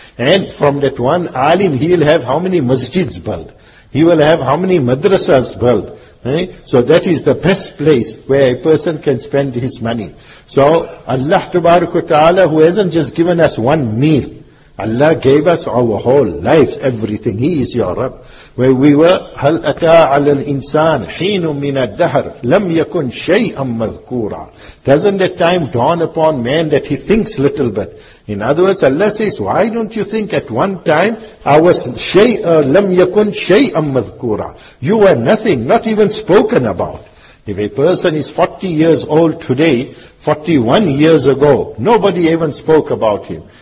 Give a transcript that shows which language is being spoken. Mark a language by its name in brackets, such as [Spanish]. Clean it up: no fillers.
[English] And from that one alim, he'll have how many masjids built? He will have how many madrasas built? So that is the best place where a person can spend his money. So Allah Ta'ala, who hasn't just given us one meal, Allah gave us our whole life, everything. He is your Rabb. Where we were, [Arabic] هَلْ أَتَىٰ عَلَى الْإِنسَانِ حِينٌ مِّنَ الدَّهْرِ لَمْ يَكُنْ شَيْئًا مَذْكُورًا. [English] Doesn't that time dawn upon man that he thinks little bit? In other words, Allah says, why don't you think at one time, I was [Arabic] شَيْئًا لَمْ يَكُنْ شَيْئًا مَذْكُورًا. [English] You were nothing, not even spoken about. If a person is 40 years old today, 41 years ago, nobody even spoke about him.